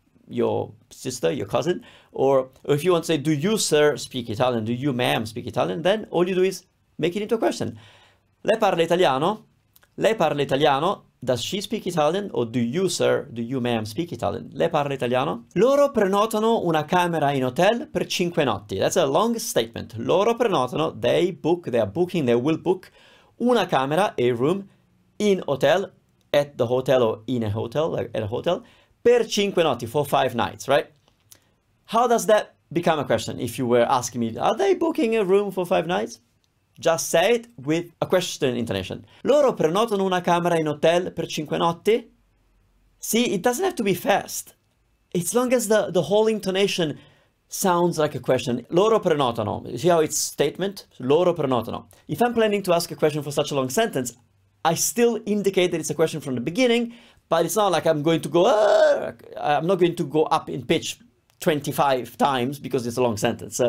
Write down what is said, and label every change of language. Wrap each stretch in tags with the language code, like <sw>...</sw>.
<en>Your sister, your cousin, or if you want to say, do you, sir, speak Italian? Do you, ma'am, speak Italian? Then all you do is make it into a question.</en> <it>Lei parla italiano? Lei parla italiano?</it> <en>Does she speak Italian? Or do you, sir, do you, ma'am, speak Italian?</en> <it>Lei parla italiano? Loro prenotano una camera in hotel per 5 notti.</it> <en>That's a long statement.</en> <it>Loro prenotano,</it> <en>they book, they are booking, they will book</en> <it>una camera,</it> <en>a room,</en> <it>in hotel,</it> <en>at the hotel, or in a hotel, like at a hotel.</en> <it>Per cinque notti,</it> <en>for 5 nights, right? How does that become a question if you were asking me, are they booking a room for 5 nights? Just say it with a question intonation.</en> <it>Loro prenotano una camera in hotel per 5 notti?</it> <en>See, it doesn't have to be fast. As long as the whole intonation sounds like a question.</en> <it>Loro prenotano.</it> <en>See how it's statement?</en> <it>Loro prenotano.</it> <en>If I'm planning to ask a question for such a long sentence, I still indicate that it's a question from the beginning, but it's not like I'm going to go, I'm not going to go up in pitch 25 times because it's a long sentence.</en>